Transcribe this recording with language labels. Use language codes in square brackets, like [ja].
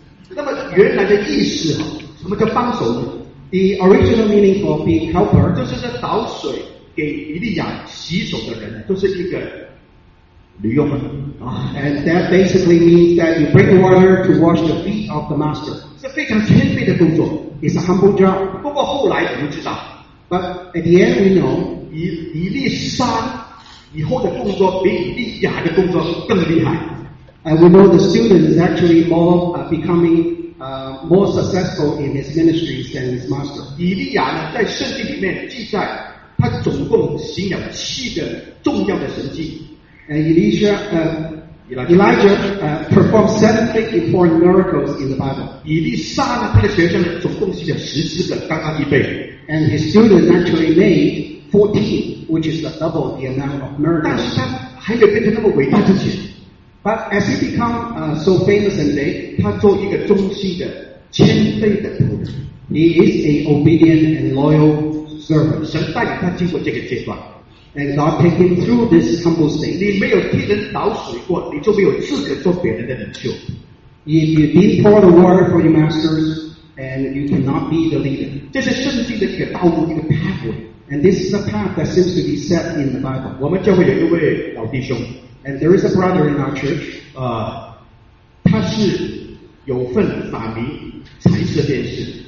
[zh] 那么原来的意思什么叫帮手呢？ [en] The original meaning for being helper [zh] 就是在倒水给以利亚洗手的人，就是一个女佣们。 [en] And that basically means that you bring water to wash the feet of the master. [zh] 是非常谦卑的工作。 [en] It's a humble job. [zh] 不过后来我们知道。 [en] But at the end we know, [zh] 以利沙以后的工作比以利亚的工作更厉害。 [en] And we know the student is actually more becoming more successful in his ministry than his master. [zh] 以利亚呢，在圣经里面记载，他总共行了七个重要的神迹。 [en] And Elijah performed 7 big important miracles in the Bible. [zh] 以利沙呢，他的学生呢，总共是有14个，刚刚一倍。 [en] And his students actually made 14, which is the double the amount of miracles. [zh] 但是他还没有变成那么伟大之前。 [en] But as he become so famous and big, [zh] 他做一个忠心的、谦卑的仆人。 [en] He is an obedient and loyal servant. [zh] 神带领他经过这个阶段。 [en] And God take him through this humble state. [zh] 你没有替人倒水过，你就没有资格做别人的领袖。 [en] If you didn't pour the water for your masters, and you cannot be the leader. [zh] 这是圣经的一个道路，一个 pathway. [en] And this is a path that seems to be set in the Bible. [zh] 我们教会有一位老弟兄。 [en] And there is a brother in our church. [zh] 他是有份法名彩色电视。